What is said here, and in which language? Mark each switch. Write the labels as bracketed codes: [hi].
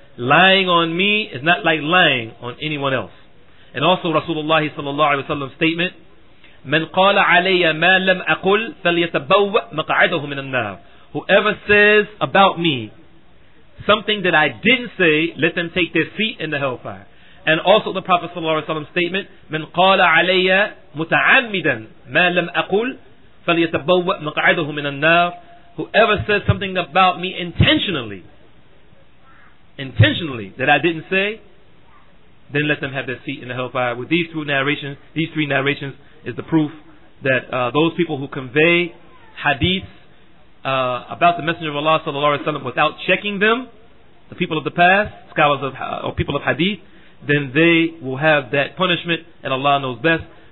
[en] Lying on me is not like lying on anyone else. And also Rasulullah صلى الله عليه وسلم statement, [ar] من قال علي ما لم أقل فليتبوأ مقعده من النار. [en] Whoever says about me something that I didn't say, let them take their seat in the hellfire. And also the Prophet صلى الله عليه وسلم statement, [ar] من قال علي متعمدا ما لم أقول فليتبوأ مقعده من النار. [en] Whoever says something about me intentionally that I didn't say, then let them have their seat in the hellfire. With these three narrations is the proof that those people who convey hadith about the Messenger of Allah صلى الله عليه وسلم without checking them, the people of the past, scholars of or people of hadith, then they will have that punishment, and Allah knows best.